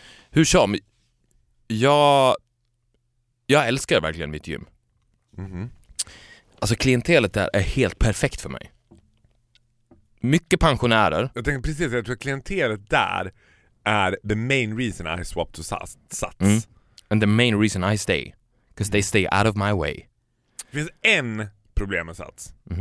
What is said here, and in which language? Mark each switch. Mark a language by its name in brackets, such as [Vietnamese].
[Swedish] Hur som, jag älskar verkligen mitt gym. Alltså klientelet där är helt perfekt för mig. Mycket pensionärer. Jag tänker precis, jag tror att klientelet där är [English] the main reason I swap to Sats. And the main reason I stay. Because they stay out of my way. [Swedish] Det finns en problem med Sats.